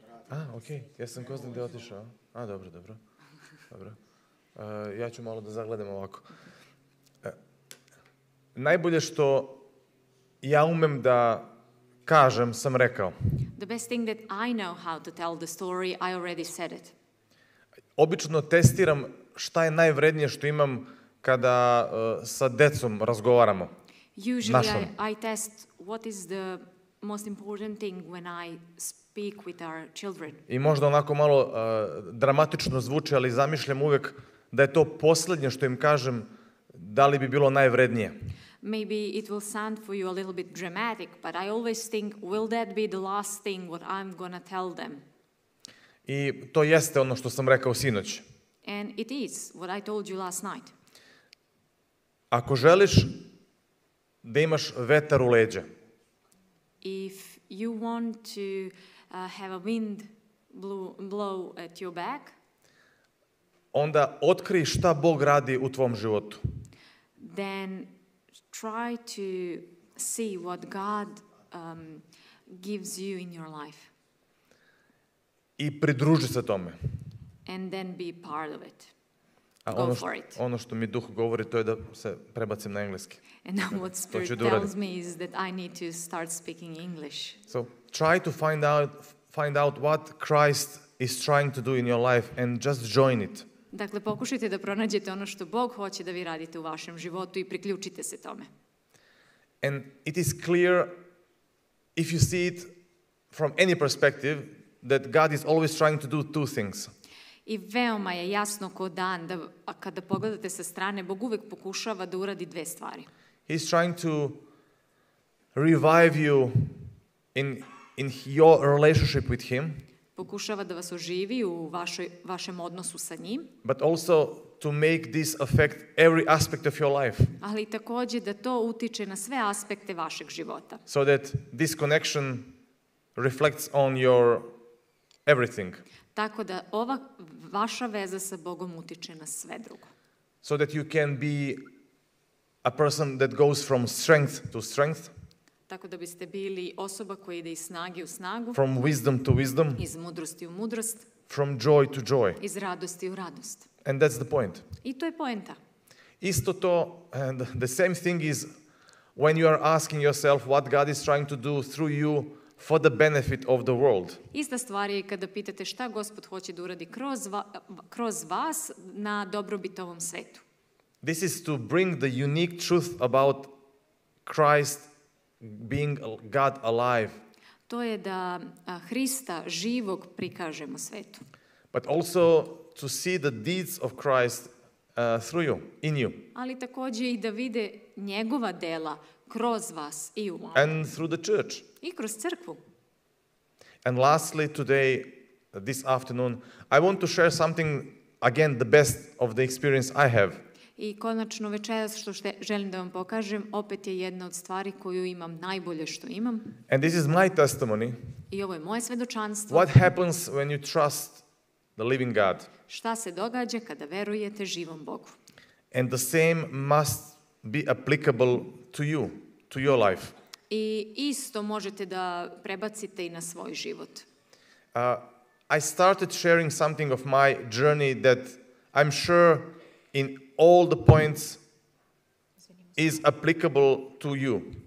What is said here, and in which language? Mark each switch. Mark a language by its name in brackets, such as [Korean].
[Serbian] A, okej, okay. Ja sam ko znam gdje otišao. A, dobro, dobro. Dobro. Ja ću malo da zagledam ovako. Najbolje što ja umem da kažem, sam rekao. [English] The best thing that I know how to tell the story, I already said it. [Serbian] Obično testiram šta je najvrednije što imam kada sa decom razgovaramo. [English] Usually I test what is the most important thing when I speak with our children. [Serbian] I možda onako malo dramatično zvuči, ali zamišljam uvek da je to posljednje što im kažem, da li bi bilo najvrednije. [English] Maybe it will sound for you a little bit dramatic, but I always think, will that be the last thing what I'm gonna tell them? [Serbian] I to jeste ono što sam rekao sinoć. [English] And it is what I told you last night. [Serbian] Ako želiš da imaš vetar u leđa, [English] if you want to have a wind blow at your back, [Serbian] onda otkrij šta Bog radi u tvom životu. [English] Then try to see what God gives you in your life. [Serbian] I pridruži se tome. [English] And then be part of it. [Serbian] A ono što, ono što mi duh govori, to je da se prebacim na engleski. [English] And now what Spirit tells me is that I need to start speaking English. So try to find out what Christ is trying to do in your life and just join it. [Serbian] Dakle, pokušajte da pronađete ono što Bog hoće da vi radite u vašem životu i priključite se tome. [English] And it is clear, if you see it from any perspective, that God is always trying to do two things. [Serbian] I veoma je jasno ko dan da kada pogledate sa strane, Bog uvek pokušava da uradi dve stvari. [English] He's trying to revive you in your relationship with him. [Serbian] Pokušava da vas oživi u vašem odnosu sa njim. [English] But also to make this affect every aspect of your life. [Serbian] Ali takođe da to utiče na sve aspekte vašeg života. [English] So that this connection reflects on your everything. [Serbian] Tako da ova vaša veza sa Bogom utiče na sve drugo. [English] So that you can be a person that goes from strength to strength. [Serbian] Tako da biste bili osoba koja ide iz snage u snagu. [English] From wisdom to wisdom. [Serbian] Iz mudrosti u mudrost. [English] From joy to joy. [Serbian] Iz radosti u radost. [English] And that's the point. [Serbian] I to je poenta. Isto to, [English] and the same thing is when you are asking yourself what God is trying to do through you for the benefit of the world. [Serbian] Ista stvar je kada pitate šta Gospod hoće da uradi kroz vas na dobrobit ovom svetu. [English] This is to bring the unique truth about Christ being God alive. [Serbian] To je da Hrista živog prikažemo svetu. [English] But also to see the deeds of Christ through you, in you. [Serbian] Ali takođe i da vide njegova dela kroz vas i u vas. [English] And through the church. [Serbian] I kroz crkvu. [English] And lastly today, this afternoon, I want to share something, again, the best of the experience I have. [Serbian] I konačno večeras što želim da vam pokažem, opet je jedna od stvari koju imam najbolje što imam. [English] And this is my testimony. [Serbian] I ovo je moje svedočanstvo. [English] What happens when you trust the living God? [Serbian] Šta se događa kada verujete živom Bogu? [English] And the same must be applicable to you, to your life. [Serbian] I isto možete da prebacite i na svoj život. [English] I started sharing something of my journey that I'm sure in all the points is applicable to you.